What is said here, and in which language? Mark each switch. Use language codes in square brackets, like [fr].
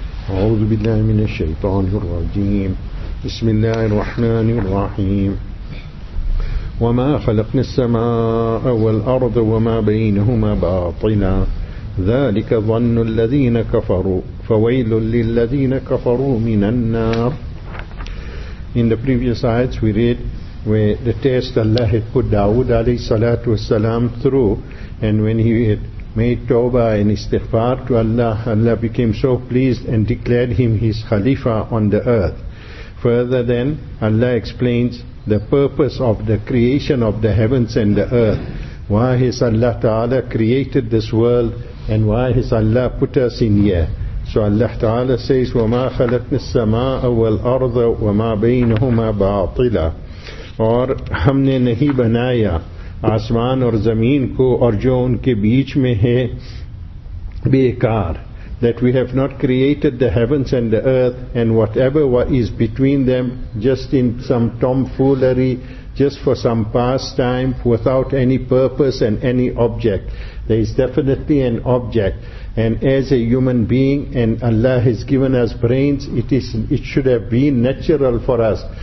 [ar] أعوذ بالله من الشيطان الرجيم. بسم الله الرحمن الرحيم. وما خلقنا السماء والأرض وما بينهما باطلا ذلك ظن الذين كفروا فويل للذين كفروا من النار. [en] In the previous ayat we read where the test Allah had put Dawood alayhi salatu wasalam through, and when he had made tawbah and istighfar to Allah, Allah became so pleased and declared him his khalifa on the earth. Further then, Allah explains the purpose of the creation of the heavens and the earth. Why has Allah Ta'ala created this world, and why has Allah put us in here? So Allah Ta'ala says, [ar] وَمَا خَلَقْنَا السَّمَاءَ وَالْأَرْضَ وَمَا بَيْنَهُمَا بَاطِلًا. [ur] اور ہم نے نہیں بنایا آسمان اور زمین کو اور جو ان کے بیچ میں ہے بیکار. [en] That we have not created the heavens and the earth and whatever is between them just in some tomfoolery, just for some pastime, without any purpose and any object. There is definitely an object. And as a human being, and Allah has given us brains, it should have been natural for us.